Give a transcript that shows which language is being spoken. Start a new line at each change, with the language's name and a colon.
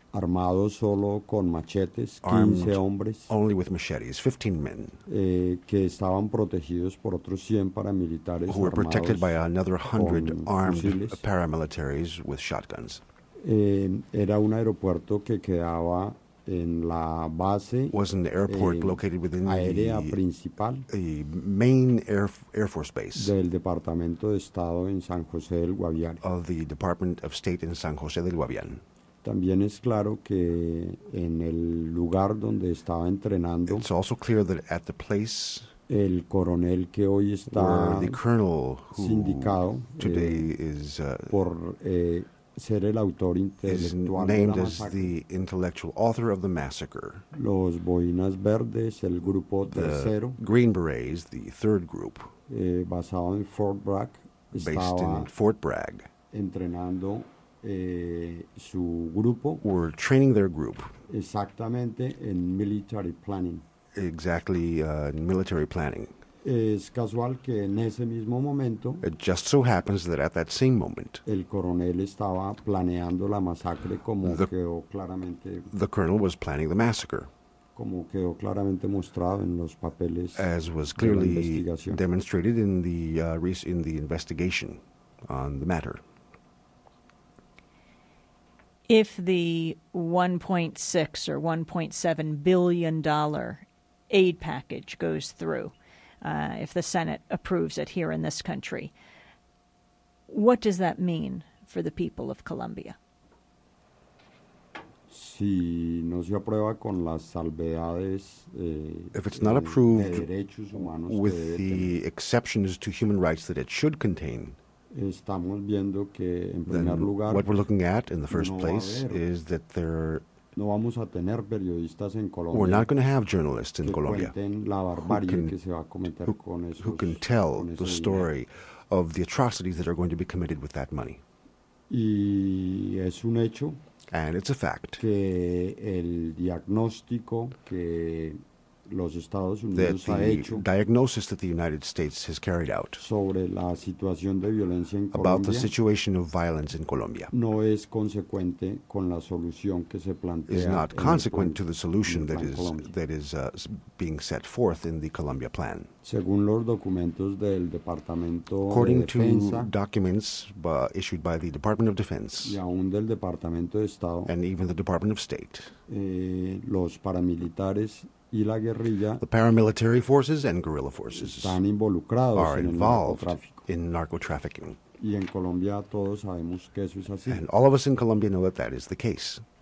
Spanish: Armado solo con machetes, 15 hombres.
English: Only with machetes, 15 men.
Spanish: Que estaban protegidos por otros 100 paramilitares.
English: Who were protected by another 100 armed paramilitaries with shotguns.
Spanish: Era un aeropuerto que quedaba en la base.
English: Was an airport located within
Spanish: aérea principal,
English: the main air force base
Spanish: del Departamento de Estado en San José del Guaviare.
English: Of the Department of State in San José del Guaviare.
Spanish: También es claro que en el lugar donde estaba entrenando,
English: it's also clear that at the place,
Spanish: el coronel que hoy está
English: the colonel
Spanish: sindicado
English: today is
Spanish: por ser el autor intelectual,
English: named as the intellectual author of the massacre,
Spanish: los boinas verdes, el grupo tercero,
English: the Green Berets, the third group,
Spanish: basado en Fort Bragg,
English: based in Fort Bragg,
Spanish: entrenando su grupo,
English: were training their group
Spanish: exactamente en
English: military planning. Exactly in military planning.
Spanish: Es casual que en ese mismo momento,
English: it just so happens that at that same moment,
Spanish: el coronel estaba planeando la masacre como quedó claramente,
English: the colonel was planning the massacre,
Spanish: como quedó claramente mostrado en los papeles,
English: as was clearly demonstrated in the investigation on the matter. If the 1.6 or 1.7 billion dollar aid package goes through, if the Senate approves it here in this country, what does that mean for the people of Colombia?
Spanish: Si no se aprueba con las salvedades,
English: if it's not approved
Spanish: de derechos humanos
English: with
Spanish: que
English: the
Spanish: tener,
English: exceptions to human rights that it should contain,
Spanish: estamos viendo que en primer lugar,
English: what we're looking at in the first place is that there
Spanish: no vamos a tener periodistas en Colombia.
English: We're not going to have journalists in Colombia who can tell the story of the atrocities that are going to be committed with that money.
Spanish: Y es un hecho,
English: and it's a fact
Spanish: que el diagnóstico que los Estados Unidos
English: that the
Spanish: ha hecho
English: diagnosis that the United States has carried out
Spanish: sobre la situación de violencia en Colombia,
English: about the situation of violence in Colombia,
Spanish: no es consecuente con la solución que se plantea,
English: is not consequent to the solution that is being set forth in the Colombia plan.
Spanish: Según los documentos del Departamento
English: according
Spanish: de Defensa,
English: to documents issued by the Department of Defense,
Spanish: y aún del Departamento de Estado,
English: and even the Department of State,
Spanish: los paramilitares y la guerrilla,
English: the paramilitary forces and guerrilla forces
Spanish: están involucrados
English: are involved in narco-trafficking.
Spanish: Y en Colombia todos sabemos que eso es así.
English: And all of us in Colombia know that that is the case.